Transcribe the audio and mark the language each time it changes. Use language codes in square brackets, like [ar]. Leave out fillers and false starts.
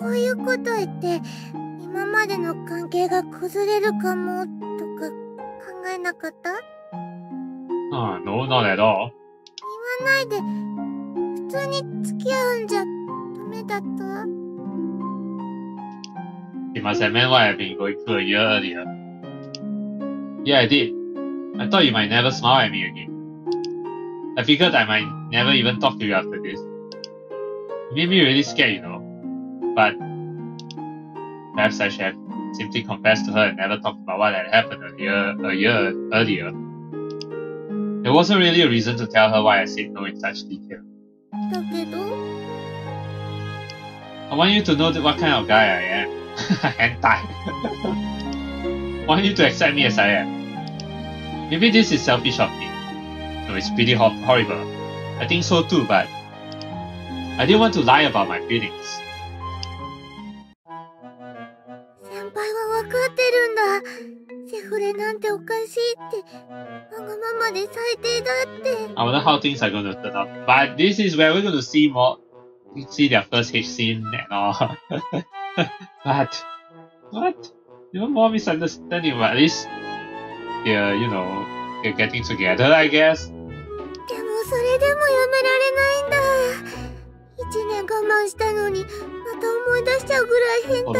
[ja] こういうこと言って、今までの関係が崩れるかもとか考えなかった [en] ？ No, not at all. [ja] 言わないで、普通に付き合うんじゃダメだった？ [en] You must have meant what I've been going through a year earlier. Yeah, I did. I thought you might never smile at me again. I figured I might never even talk to you after this. It made me really scared, you know. But perhaps I should have simply confessed to her and never talked about what had happened a year earlier. There wasn't really a reason to tell her why I said no in such detail. I want you to know what kind of guy I am. Hentai. Want you to accept me as I am. Maybe this is selfish of me. No, it's pretty horrible. I think so too, but I didn't want to lie about my feelings. [ja] 先輩は分かってるんだ。セフレなんておかしいって。わがままで最低だって。 [en] I wonder how things are going to turn out. But this is where we're going to see more. You see their first hitch scene and all. But, what? Even more misunderstanding, but at least they're, you know, they're getting together, I guess. [ja] でもそれでもやめられないんだ。一年我慢したのに、また思い出しちゃうぐらい変態で。